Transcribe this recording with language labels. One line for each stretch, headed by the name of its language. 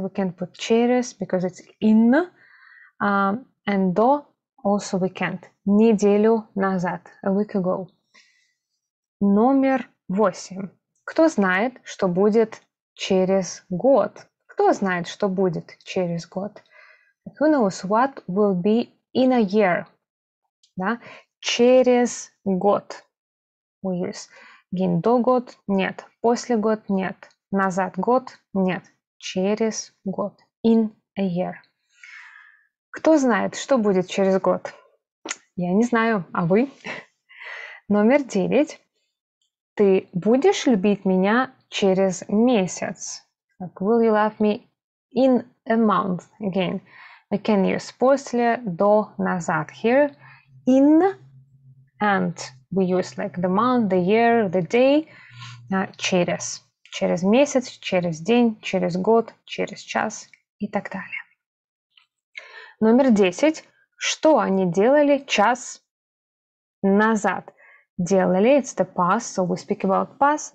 English: We can put через, because it's in. And до also we can't.
Russian: Неделю назад.
English: A week ago.
Russian: Номер 8. Кто знает, что будет через год? Кто знает, что будет через год?
English: Who knows what will be in a year?
Russian: Да? Через год.
English: We use. Again,
Russian: до год? Нет. После год? Нет. Назад год? Нет. через год.
English: In a year.
Russian: Кто знает, что будет через год? Я не знаю, а вы? Номер 9. Ты будешь любить меня через месяц?
English: Like, will you love me in a month? Again, we can use после, до, назад here. In, and we use like the month, the year, the day.
Russian: Через. Через месяц, через день, через год, через час и так далее. Номер 10. Что они делали час назад?
English: Делали, it's the past, so we speak about past.